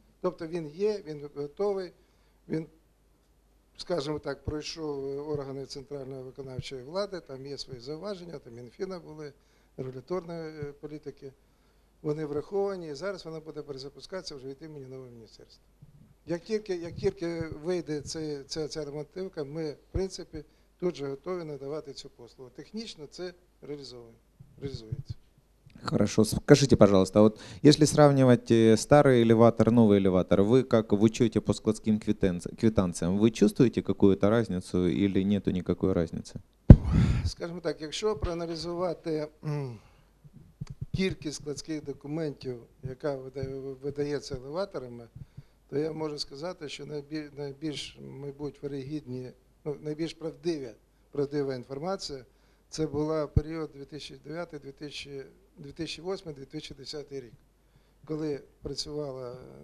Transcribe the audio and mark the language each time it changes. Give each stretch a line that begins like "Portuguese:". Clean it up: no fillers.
Ukrainian: Тобто він є, він готовий, він, скажімо так, пройшов органи центральної виконавчої влади, там є свої зауваження, там Мінфіна були, регуляторної політики, вони враховані, і зараз вона буде перезапускатися вже від імені нового міністерства. Як тільки вийде ця ремонтівка, ми, в принципі, тут же готові надавати цю послугу. Технічно це реалізується.
Russian: Хорошо. Скажите, пожалуйста, вот если сравнивать старый элеватор, новый элеватор, вы как в учете по складским квитанциям, вы чувствуете какую-то разницу или нету никакой разницы? Скажем так,
Ukrainian: якщо проаналізувати кількість складських документів, яка видається елеваторами, то я можу сказати, що найбільш, мабуть, вірогідні, найбільш правдива інформація, це була період 2008-2010 рік, коли працювала